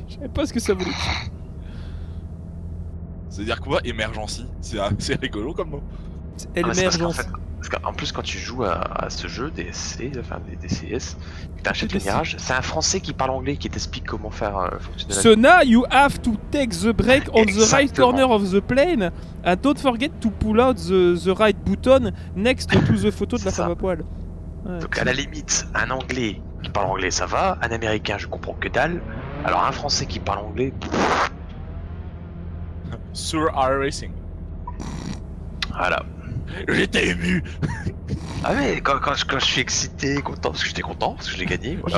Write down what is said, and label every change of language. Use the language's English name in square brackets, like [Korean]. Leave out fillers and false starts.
[French] Je savais pas ce que ça voulait dire. C'est-à-dire quoi, Emergency? C'est rigolo comme mot. C'est Emergency. En plus, quand tu joues à ce jeu, DSC, enfin des DCS, que t'achètes le Mirage, c'est un français qui parle anglais qui t'explique comment faire fonctionner [English] la... So now you have to take the brake on the right corner of the plane, and don't forget to pull out the right button next to the [French] photo de la femme à poil. Ouais, donc à la limite, un anglais qui parle anglais, ça va, un américain, je comprends que dalle, alors un français qui parle anglais... Sur iRacing. Voilà. J'étais ému. Ah mais quand je suis excité, content, parce que j'étais content, parce que je l'ai gagné, voilà.